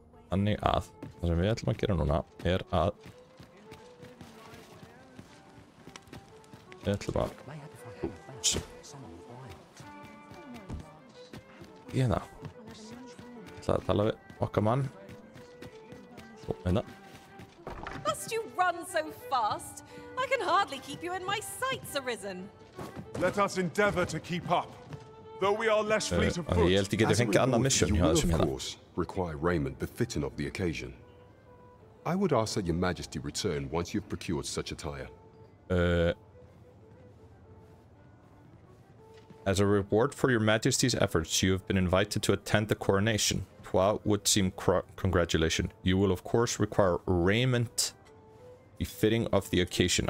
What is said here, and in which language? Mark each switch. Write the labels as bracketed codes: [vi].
[is] Þannig að það sem við ætlum að gera núna að ég ætlum að hérna ætla að tala við okkar mann og hérna [en] Must you run so fast? I can hardly keep you in my sights arisen. Let us endeavor to keep up. Though we are less fleet of foot. [is] Ég held ég geti fengið annað mission hjá þessum hérna. [en] Require raiment befitting of the occasion. I would ask that your majesty return once you've procured such attire. As a reward for your majesty's efforts, you have been invited to attend the coronation. What would seem congratulation. You will of course require raiment befitting of the occasion.